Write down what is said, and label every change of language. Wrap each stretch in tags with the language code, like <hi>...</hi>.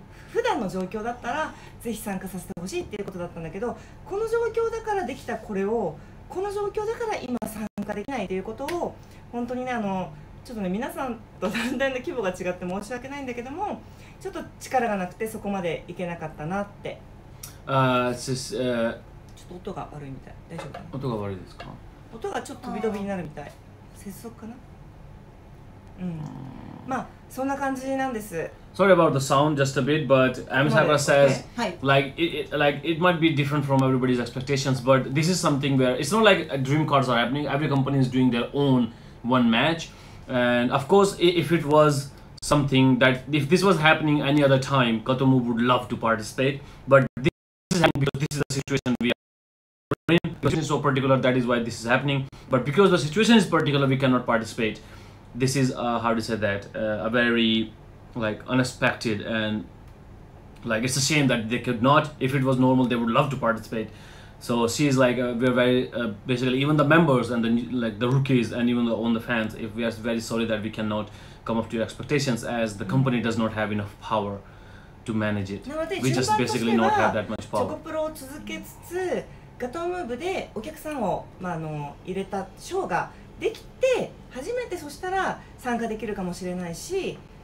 <ja>普段の状況だったらぜひ参加させてほしいっていうことだったんだけど、この状況だからできたこれを、この状況だから今参加できないということを、本当にね、ちょっとね、皆さんと団体の規模が違って申し訳ないんだけども、ちょっと力がなくてそこまでいけなかったなって。ちょっと音が悪いみたい。大丈夫かな。音が悪いですか。音がちょっと飛び飛びになるみたい。接続かな。まあそんな感じなんです。</ja> <en>Sorry about the sound just a bit, but Amisagra says it might be different from everybody's expectations, but this is something where it's not like dream cards are happening. Every company is doing their own one match. And of course, if it was something that, if this was happening any other time, Gautam Osho would love to participate. But this is happening because this is the situation we are in. The situation is so particular, that is why this is happening. But because the situation is particular, we cannot participate. This is, a very... like unexpected, and like it's a shame that they could not. If it was normal, they would love to participate. So she is like, we're very basically, even the members and the like the rookies and even the own the fans, if we are very sorry that we cannot come up to your expectations, as the company does not have enough power to manage it. We just basically not have that much power.</en> <ja>チョコプロを続けつつ、ガトムーブでお客さんを、まあ、入れたショーができて初めて、そしたら参加できるかもしれないし、</ja>